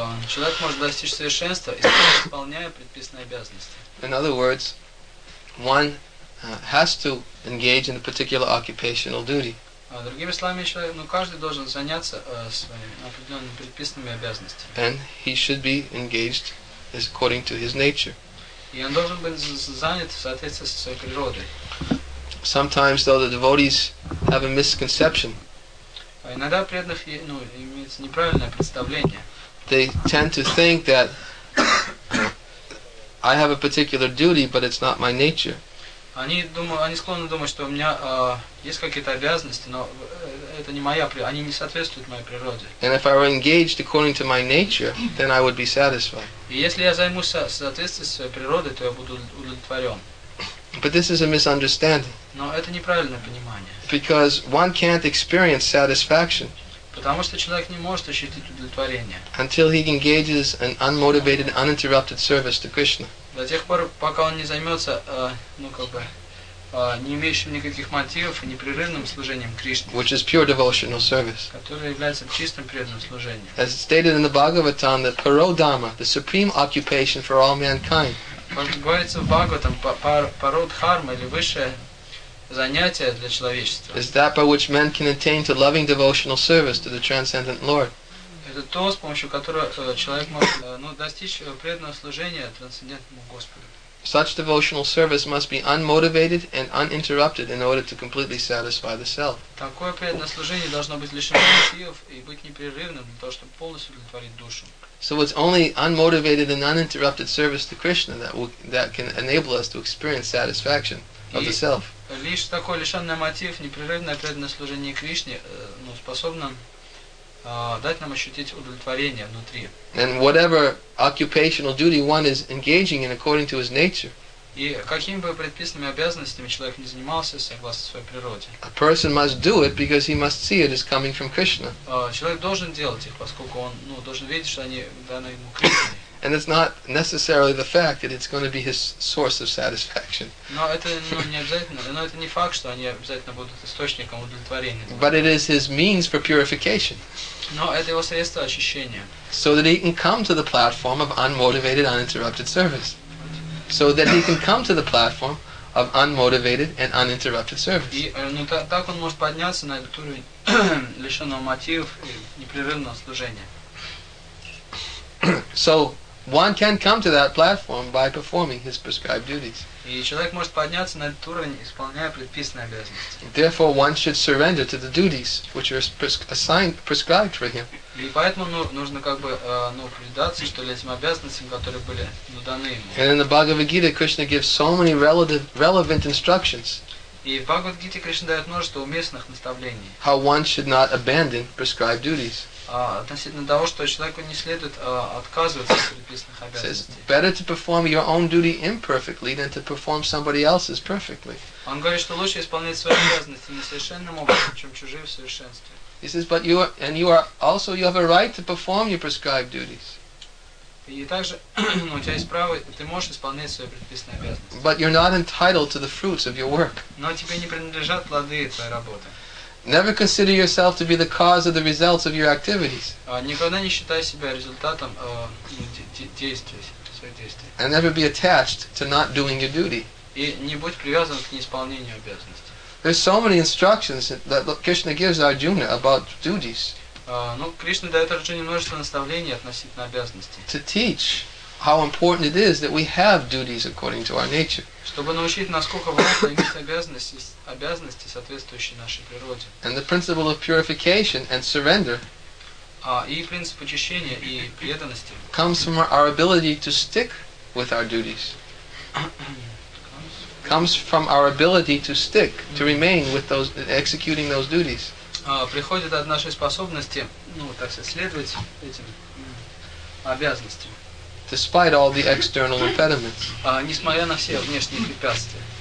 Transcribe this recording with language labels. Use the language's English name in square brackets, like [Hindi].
[Russian] Человек может достичь совершенства, исполняя предписанные обязанности. [English] In other words, one has to engage in a particular occupational duty. [Russian] Другими словами, человек, ну, каждый должен заняться своими определенными предписанными обязанностями. [English] And he should be engaged as according to his nature. [Russian] И он должен быть занят в соответствии со своей природой. [English] Sometimes, though, the devotees have a misconception. [Russian] Иногда преданных, ну, имеется неправильное представление. [English] They tend to think that I have a particular duty, but it's not my nature. [Russian] Они склонны думать, что у меня есть какие-то обязанности, но это не моя природа, они не соответствуют моей природе. [English] And if I were engaged according to my nature, then I would be satisfied. [Russian] И если я займусь соответствием своей природы, то я буду удовлетворен. [English] But this is a misunderstanding. [Russian] Но это неправильное понимание. [English] Because one can't experience satisfaction. [Russian] Потому что человек не может ощутить удовлетворение. [English] Until he engages in unmotivated, uninterrupted service to Krishna. [Russian] До тех пор, пока он не займется, ну как бы, не имеющим никаких мотивов и непрерывным служением Кришне, [English] which is pure devotional service, [Russian] которое является чистым преданным служением. [English] As stated in the Bhagavatam, the Paro Dharma, the supreme occupation for all mankind. [Russian] Как говорится в Бхагаватам, Паро Дхарма, или высшее занятие для человечества. [English] Is that by which men can attain to loving devotional service to the transcendent Lord. [Russian] Это то, с помощью которого человек может, ну, достичь преданного служения трансцендентному Господу. [English] Such devotional service must be unmotivated and uninterrupted in order to completely satisfy the self. [Russian] Такое преданное служение должно быть лишено мотивов и быть непрерывным для того, чтобы полностью удовлетворить душу. [English] So it's only unmotivated and uninterrupted service to Krishna that can enable us to experience satisfaction of the self. [Russian] Лишь такое лишенное мотив, непрерывное преданное служение Кришне, ну, способно дать нам ощутить удовлетворение внутри. [English] And whatever occupational duty one is engaging in according to his nature. [Russian] И какими бы предписанными обязанностями человек не занимался, согласно своей природе. [English] A person must do it because he must see it as coming from Krishna. [Russian] Человек должен делать их, поскольку он, ну, должен видеть, что они даны ему Кришне. [English] And it's not necessarily the fact that it's going to be his source of satisfaction. But it is his means for purification. So that he can come to the platform of unmotivated, uninterrupted service. [Russian] И так он может подняться на этот уровень лишенного мотивов и непрерывного служения. [English] So one can come to that platform by performing his prescribed duties. [Russian] И человек может подняться на этот уровень, исполняя предписанные обязанности. [English] Therefore, one should surrender to the duties which are prescribed for him. [Russian] И поэтому нужно как бы предаться, что ли, этим обязанностям, которые были даны ему. [English] And in the Bhagavad Gita, Krishna gives so many relevant instructions. [Russian] И в Бхагавад Гите Кришна дает множество уместных наставлений. [English] How one should not abandon prescribed duties. [Russian] Относительно того, что человеку не следует отказываться от предписанных обязанностей. [English] Says, better to perform your own duty imperfectly than to perform somebody else's perfectly. [Russian] Он говорит, что лучше исполнять свои обязанности несовершенным образом, чем чужие в совершенстве. [English] He says, but you have a right to perform your prescribed duties. [Russian] И также у тебя есть право, ты можешь исполнять свои предписанные обязанности. [English] But you're not entitled to the fruits of your work. [Russian] Но тебе не принадлежат плоды твоей работы. [English] Never consider yourself to be the cause of the results of your activities. [Russian] Никогда не считай себя результатом действий, своих действий. [English] And never be attached to not doing your duty. [Russian] И не будь привязан к неисполнению обязанностей. [English] There's so many instructions that Krishna gives Arjuna about duties. [Russian] Кришна дает Арджуне множество наставлений относительно обязанностей. [English] To teach how important it is that we have duties according to our nature. [Russian] Чтобы научить, насколько важно иметь обязанности, соответствующие нашей природе. [English] And the principle of purification and surrender. [Russian] И принцип очищения и преданности. [English] Comes from our ability to stick with our duties. Comes from our ability to stick, to remain with those, executing those duties. [Russian] Приходит от нашей способности, следовать этим обязанностям. [English] Despite all the external impediments. [Russian] Несмотря на все внешние препятствия.